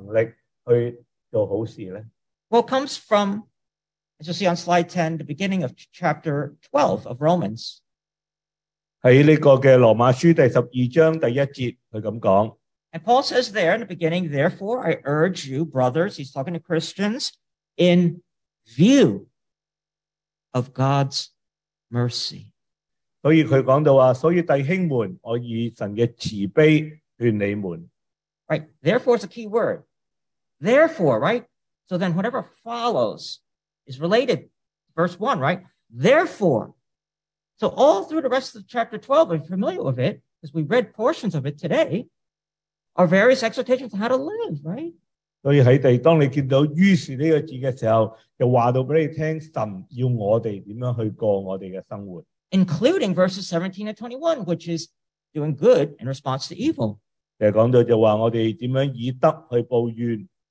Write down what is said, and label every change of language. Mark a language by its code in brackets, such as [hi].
[zh] 那当这个恶降临到你身上的时候,我们在哪里拿到这个能力去做好事呢? [en] Well, it comes from, as you see on slide 10, the beginning of chapter 12 of Romans. [zh] 在这个罗马书第12章第1节,他这么说。 [en] And Paul says there in the beginning, therefore I urge you, brothers, he's talking to Christians, in view of God's mercy. [zh] 所以他讲到,所以弟兄们,我以神的慈悲劝你们。 [en] Right, therefore is a key word. Therefore, right? So then whatever follows is related. Verse 1, right? Therefore, so all through the rest of chapter 12, we're familiar with it, because we read portions of it today, are various exhortations on how to live, right? [zh] 所以在地,当你见到于是这个字的时候,就告诉我们,神要我们怎样去过我们的生活。 [en] Including verses 17 and 21, which is doing good in response to evil. [zh] 就是说,就是说,我们怎样以德去报怨。